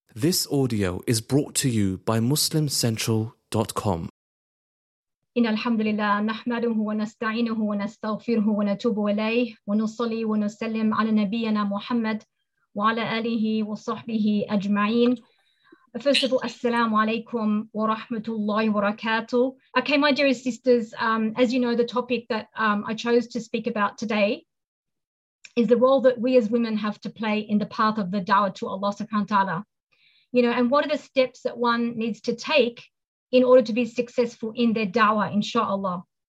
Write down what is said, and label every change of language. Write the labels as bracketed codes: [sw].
[en] This audio is brought to you by MuslimCentral.com. [ar] إن الحمد لله نحمده ونستعينه ونستغفره ونتوب إليه ونصلي ونسلم على نبينا محمد وعلى آله وصحبه أجمعين. [en] First of all, assalamu alaikum wa rahmatullahi wa barakatuh. Okay, my dearest sisters, as you know, the topic that I chose to speak about today is the role that we as women have to play in the path of the da'wah to Allah subhanahu wa ta'ala. You know, and what are the steps that one needs to take in order to be successful in their da'wah, inshallah?